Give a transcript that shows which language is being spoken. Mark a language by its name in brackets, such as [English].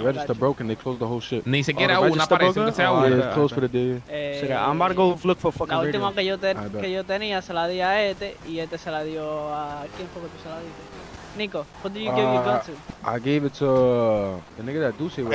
[English] The register broken, they closed the whole shit. [Spanish] Ni siquiera una parece que sea una. [English] It's closed for the day. So that I'm about to go look for fucking radio. [Spanish] La última que yo tenía se la di a este, y este se la dio a... ¿Quién fue que tú se la diste? [English] Nico, who did you give your gun to? I gave it to the nigga that Ducey, bro.